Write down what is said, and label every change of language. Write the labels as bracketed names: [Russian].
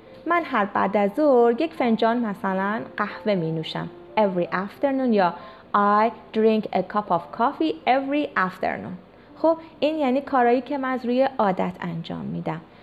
[Persian] من هر بعد از ظهر یک فنجان مثلا قهوه می نوشم. [English] every afternoon یا I drink a cup of coffee every afternoon. [Persian] خب این یعنی کارهایی که من از روی عادت انجام میدم.